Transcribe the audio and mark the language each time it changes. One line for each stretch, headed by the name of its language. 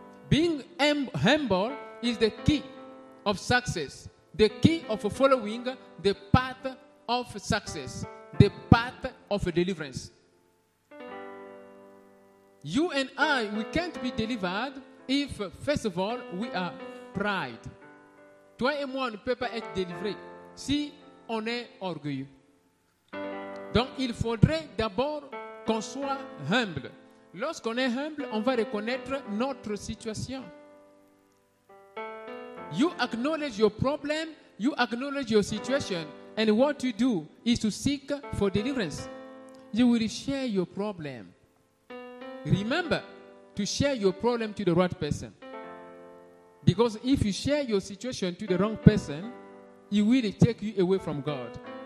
English: Being humble is the key of success, the key of following the path of success, the path of deliverance. You and I, we can't be delivered if, first of all, we are pride.
French: Toi et moi, on ne peut pas être délivré si on est orgueilleux. Donc, il faudrait d'abord qu'on soit humble. Lorsqu'on est humble, on va reconnaître notre situation.
English: You acknowledge your problem, you acknowledge your situation, and what you do is to seek for deliverance. You will share your problem. Remember to share your problem to the right person. Because if you share your situation to the wrong person, he will take you away from God.